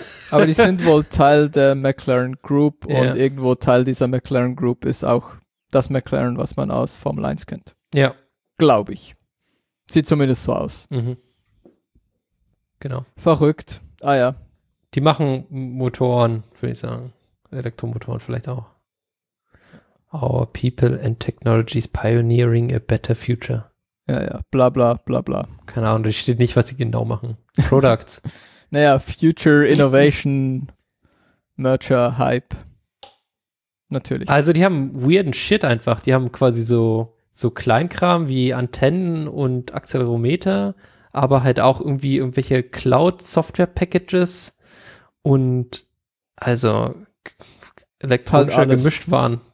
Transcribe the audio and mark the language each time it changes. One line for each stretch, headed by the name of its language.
German: Aber die sind wohl Teil der McLaren Group und irgendwo Teil dieser McLaren Group ist auch das McLaren, was man aus Formel 1 kennt. Ja. Glaube ich. Sieht zumindest so aus. Mhm. Genau. Verrückt. Ah ja. Die machen Motoren, würde ich sagen. Elektromotoren vielleicht auch.
English: Our people and technologies pioneering a better future.
German: Ja, ja. Bla, bla, bla, bla. Keine Ahnung, da steht nicht, was sie genau machen.
English: Products.
German: Naja, Future Innovation Merger Hype. Natürlich. Also die haben weirden Shit einfach. Die haben quasi so Kleinkram wie Antennen und Accelerometer, aber halt auch irgendwie irgendwelche Cloud-Software-Packages und also elektronischer halt Gemischtwaren.